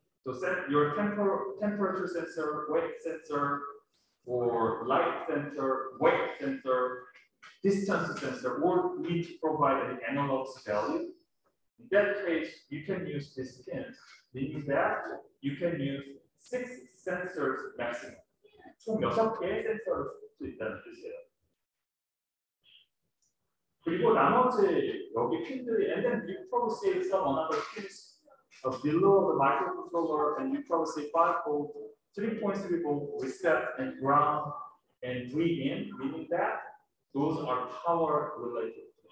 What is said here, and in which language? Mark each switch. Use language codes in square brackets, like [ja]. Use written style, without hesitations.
[en] So set your temperature sensor, weight sensor, or light sensor, weight sensor, distance sensor, or need to provide an analog value. In that case, you can use these pins. Meaning that you can use six sensors maximum. [ko] 총 여섯 개의 센서를 쓸 수 있다는 뜻이에요. 그리고 나머지 여기 핀들이 [en] and then you probably see some other pins below the microcontroller and you probably see 5 volt, 3.3 volt reset and ground and re-in, meaning that those are power related.